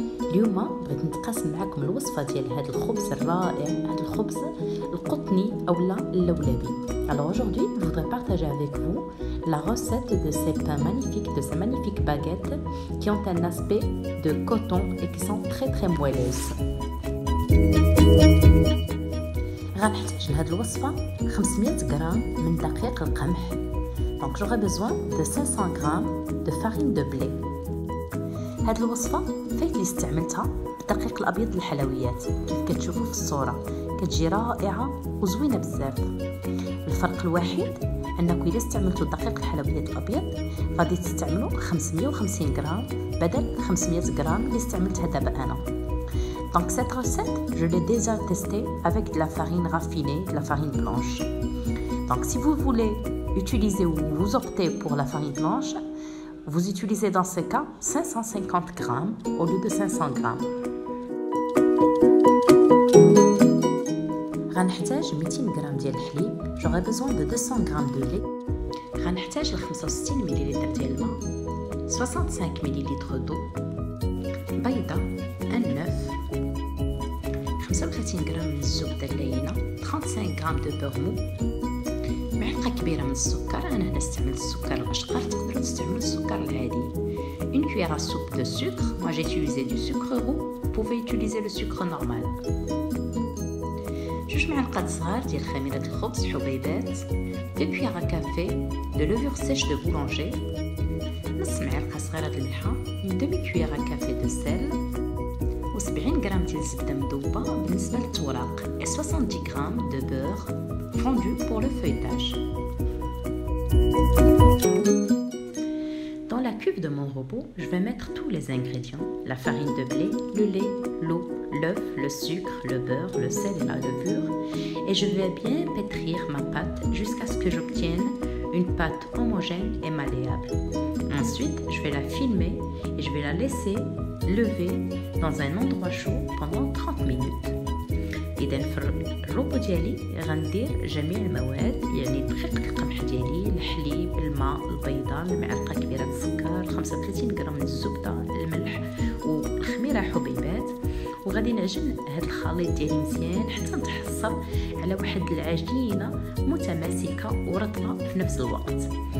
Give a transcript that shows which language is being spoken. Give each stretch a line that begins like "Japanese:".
Arabic: اليوم بغيت نتقاسم معكم الوصفه ديال هذا الخبز الرائع، هذا الخبز القطني اولا اللولبي.
French: alors aujourd'hui je voudrais partager avec vous la recette de cette magnifique de ces magnifiques baguettes qui ont un aspect de coton et qui sont très très moelleuses.
Arabic: غنحتاج لهاد الوصفه 500 غرام من دقيق القمح.
French: Donc j'aurai besoin de 500 g de farine de blé.
Arabic: هاد الوصفه فايت لي استعملتها بالدقيق الابيض للحلويات كيف كتشوفوا في الصوره، كتجي رائعه وزوينه بزاف. الفرق الوحيد انكم اذا استعملتوا دقيق الحلويات الابيض غادي تستعملوا 550 غرام بدل 500 غرام اللي استعملتها دابا انا.
French: Donc cette recette, je l'ai déjà testée avec de la farine raffinée, de la farine blanche. Donc si vous voulez utiliser ou vous optez pour la farine blanche, vous utilisez dans ce cas 550 g au lieu de 500 g.
Arabic: غنحتاج 200 g ديال الحليب.
French: J'aurai besoin de 200 g de lait.
Arabic: غنحتاج 65 ml ديال الماء.
French: 65 ml d'eau.
Arabic: بيضة.
French: Un œuf. 35 g de soupe de laïna, 35 g de beurre mou,
Arabic: معلقة كبيرة من السكر، أنا هنا استعملت السكر الأشقر، تقدروا تستعملوا السكر العادي.
French: Une cuillère à soupe de sucre, moi j'ai utilisé du sucre roux, vous pouvez utiliser le sucre normal.
Arabic: جوج معلقة صغار ديال خميرة الخبز حبيبات،
French: 2 cuillères à café de levure sèche de boulanger،
Arabic: نص معلقة صغيرة ديال الملح،
French: une demi-cuillère à café de sel. 70 g de
Arabic: zbda mdouba بالنسبه للتوراق
French: et 70 g de beurre fondu pour le feuilletage. Dans la cuve de mon robot, je vais mettre tous les ingrédients: la farine de blé, le lait, l'eau, l'œuf, le sucre, le beurre, le sel et la levure, et je vais bien pétrir ma pâte jusqu'à ce que j'obtienne une pâte homogène et malléable. Ensuite, je vais la filmer et je vais la laisser lever dans un endroit chaud pendant 30 minutes. Et dans le robot
Arabic: ديالي, غندير جميع المواد, يعني دقيق القمح ديالي, الحليب, الماء, البيضة, معلقة كبيرة من السكر, 35 غرام من الزبدة, الملح والخميرة حبيبات, وغادي نعجن هذا الخليط ديالي مزيان حتى نتحصل على واحد العجينة متماسكة ورطبة في نفس الوقت.